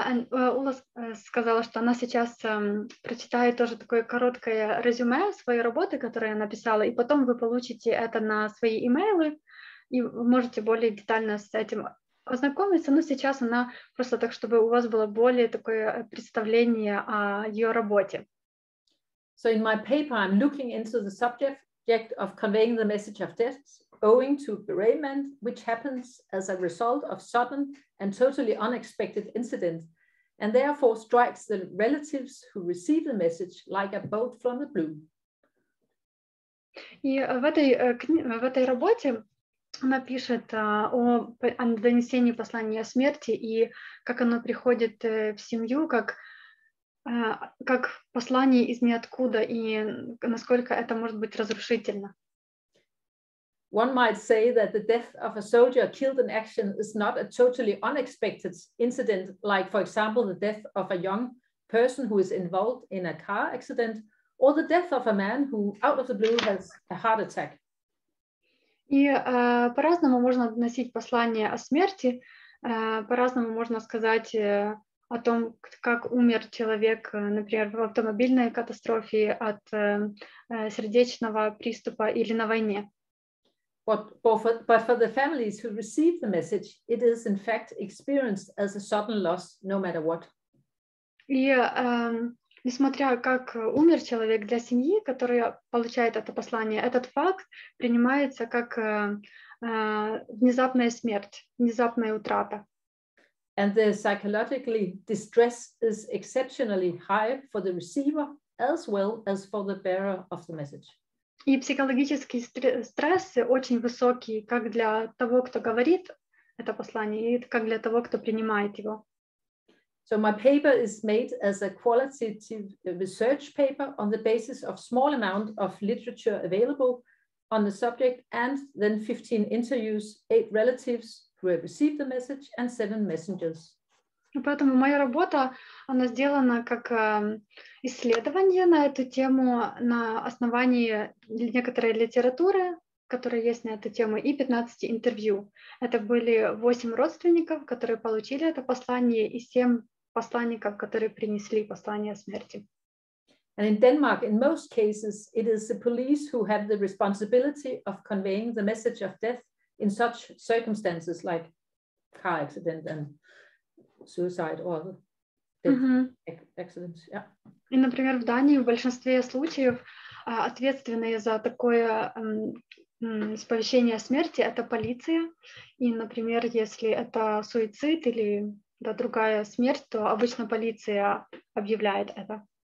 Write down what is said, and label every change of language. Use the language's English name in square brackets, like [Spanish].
[Russian] Ула сказала, что она сейчас прочитает тоже такое короткое резюме своей работы, которое я написала, и потом вы получите это на свои имейлы, и вы можете более детально с этим ознакомиться. Но сейчас она просто так, чтобы у вас было более такое представление о ее работе. [English] So in my paper I'm looking into the subject of conveying the message of death. Owing to bereavement, which happens as a result of sudden and totally unexpected incident, and therefore strikes the relatives who receive the message like a bolt from the blue. [Russian] И в этой работе она пишет о донесении послания смерти и как оно приходит в семью, как послание из ниоткуда и насколько это может быть разрушительно. [English] One might say that the death of a soldier killed in action is not a totally unexpected incident, like, for example, the death of a young person who is involved in a car accident, or the death of a man who, out of the blue, has a heart attack. [Russian] И по-разному можно относить послание о смерти. По-разному можно сказать о том, как умер человек, например, в автомобильной катастрофе от сердечного приступа или на войне. [English] But for the families who receive the message, it is in fact experienced as a sudden loss, no matter what. [Russian] И Несмотря как умер человек, для семьи, которая получает это послание, этот факт принимается как внезапная смерть, внезапная утрата. [English] And the psychologically distress is exceptionally high for the receiver as well as for the bearer of the message. [Russian] И психологический стресс очень высокий как для того, кто говорит это послание, и как для того, кто принимает его. [English] So my paper is made as a qualitative research paper on the basis of small amount of literature available on the subject and then 15 interviews, 8 relatives who have received the message and 7 messengers. [Russian] Поэтому моя работа, она сделана как исследование на эту тему на основании некоторой литературы, которая есть на эту тему, и 15 интервью. Это были 8 родственников, которые получили это послание, и 7 посланников, которые принесли послание смерти. [English] And in Denmark, in most cases, it is the police who have the responsibility of conveying the message of death in such circumstances, like car accident and suicide or accidents. Yeah. [Russian] И, например, в Дании в большинстве случаев ответственные за такое сповещение о смерти — это полиция. И, например, если это суицид или другая смерть, то обычно полиция объявляет это.